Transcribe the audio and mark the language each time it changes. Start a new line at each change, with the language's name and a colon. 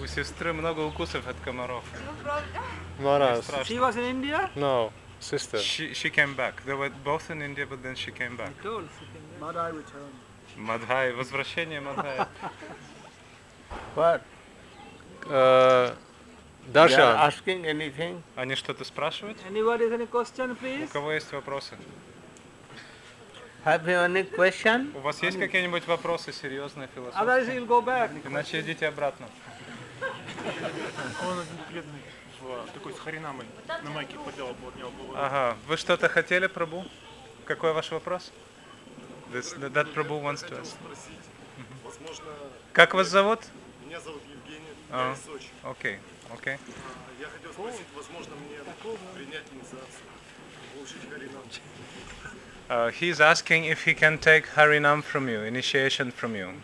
Russian: У сестры много укусов от комаров.
English: No, no. She was in India? No. Sister. She came back. They were both in India, but then she came back. Madhai returned.
Russian: Madhai. Возвращение Madhai.
English: What?
Russian: Даша.
English: You are asking anything?
Russian: Они что-то спрашивают?
English: Anybody has any question, please?
Russian: У кого есть вопросы?
English: Have you any question?
Russian: У вас есть какие-нибудь вопросы серьезные, философские?
English: Otherwise you'll go back.
Russian: Иначе идите обратно. Он один бледный. Такой с Харинамой на майке поделал, был от него был. Ага, вы что-то хотели, Прабу? Какой ваш вопрос?
English: That Прабу wants to ask.
Russian: Возможно. Как вас зовут? Меня зовут Евгений, я из Сочи. Окей, окей. Я хотел спросить, возможно, мне принять инициацию, получить Харинаму.
English: He is asking if he can take Харинам from you, initiation from you.